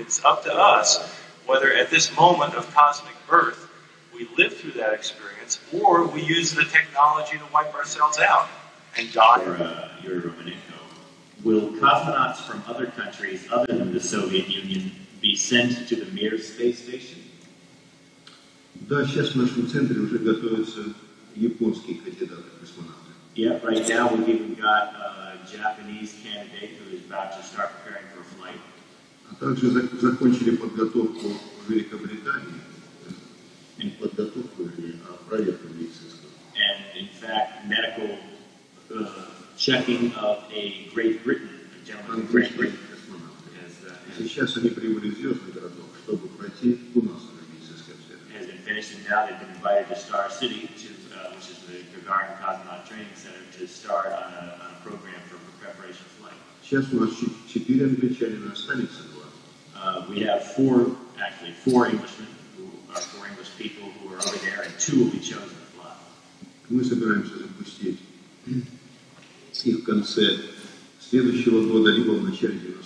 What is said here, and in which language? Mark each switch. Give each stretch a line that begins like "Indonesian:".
English: It's up to us whether at this moment of cosmic birth we live through that experience or we use the technology to wipe ourselves out. And God, you're Romanenko. Will cosmonauts from other countries other than the Soviet Union be sent to the Mir space station?
Russian: Да, сейчас в нашем центре уже готовятся японские кандидаты-космонавты.
English: Yeah, right now we've even got a Japanese candidate who is about to start preparing for flight.
Russian: А также закончили подготовку в Великобритании. And подготовку или проверку медицинского.
English: And in fact, medical checking of a Great Britain, a gentleman Great Britain.
Russian: Сейчас они прибыли в звездный городок, чтобы пройти у нас в медицинском центре.
English: Has been finished and now they've been invited to Star City, which is the Gagarin Cosmonaut Training Center, to start on a program for preparation flight.
Russian: Сейчас у нас 4 англичанина останется два.
English: We have four Englishmen, who are four English people who are over there, and two will be chosen to fly.
Russian: Мы собираемся запустить и в конце следующего года, либо в начале